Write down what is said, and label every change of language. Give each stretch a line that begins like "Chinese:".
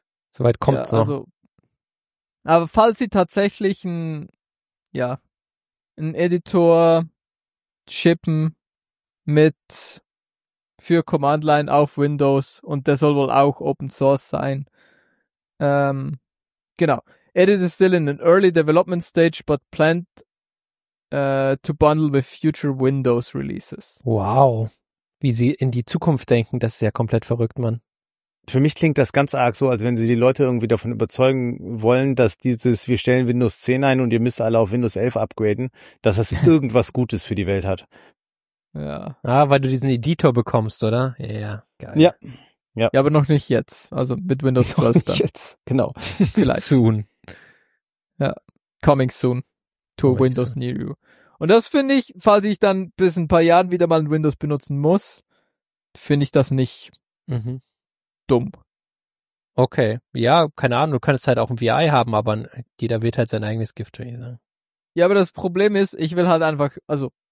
German: Soweit kommt es ja, noch. Also, aber falls sie tatsächlich einen Editor shippen mit für Command Line auf Windows und der soll wohl auch Open Source sein. Genau.
English: Edit is still in an early development stage, but planned to bundle with future Windows releases.
German: Wow. Wie sie in die Zukunft denken, das ist ja komplett verrückt, Mann. Für mich klingt das ganz arg so, als wenn sie die Leute irgendwie davon überzeugen wollen, dass dieses, wir stellen Windows 10 ein und ihr müsst alle auf Windows 11 upgraden, dass das irgendwas Gutes für die Welt hat. Ja. Ah, weil du diesen Editor bekommst, oder? Ja, yeah, geil. Ja. Ja. Ja, aber noch nicht jetzt. Also mit Windows 12 dann. Nicht jetzt, genau. Vielleicht.
English: Soon. Ja, coming soon to coming Windows soon. Near you.
German: Und das finde ich, falls ich dann bis ein paar Jahren wieder mal ein Windows benutzen muss, finde ich das nicht dumm. Okay, ja, keine Ahnung, du könntest halt auch ein VI haben, aber jeder wird halt sein eigenes Gift, würde ich sagen. Ja, aber das Problem ist, ich will halt einfach, also...